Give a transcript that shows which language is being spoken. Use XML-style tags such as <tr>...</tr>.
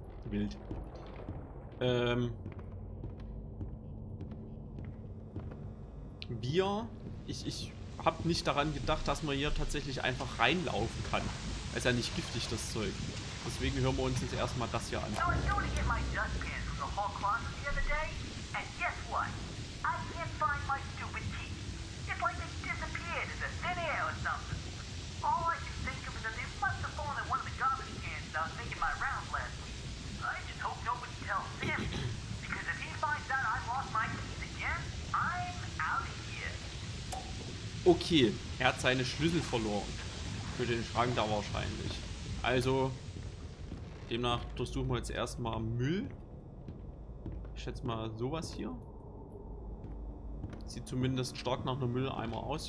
<de>Wild. Wir, ich hab nicht daran gedacht, dass man hier tatsächlich einfach reinlaufen kann. Ist ja nicht giftig, das Zeug. Deswegen hören wir uns jetzt erstmal das hier an.</de> <en>So, I'm going to get my dustpan from the hall closet the other day. And guess what? I can't find my stupid teeth. It's like they disappeared in the thin air or something. All I can think of is that they must have fallen in one of the garbage cans I was making my rounds last week. I just hope nobody tells Sam. Because if he finds out I lost my teeth again, I'm out of here.</en> <de>Okay, hat seine Schlüssel verloren. Für den Schrank da wahrscheinlich. Also, demnach durchsuchen wir jetzt erstmal Müll. Ich schätze mal sowas hier. Sieht zumindest stark nach einem Mülleimer aus.</de>